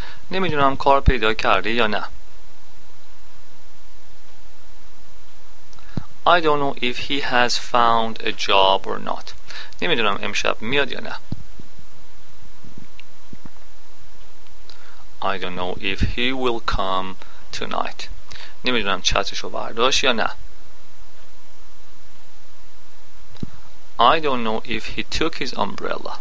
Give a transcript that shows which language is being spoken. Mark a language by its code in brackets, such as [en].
[fa] نمیدونم کار پیدا کرده یا نه. [en] I don't know if he has found a job or not. [fa] نمیدونم امشب میاد یا نه. [en] I don't know if he will come tonight. [fa] نمیدونم چتشو برداشت یا نه. [en] I don't know if he took his umbrella.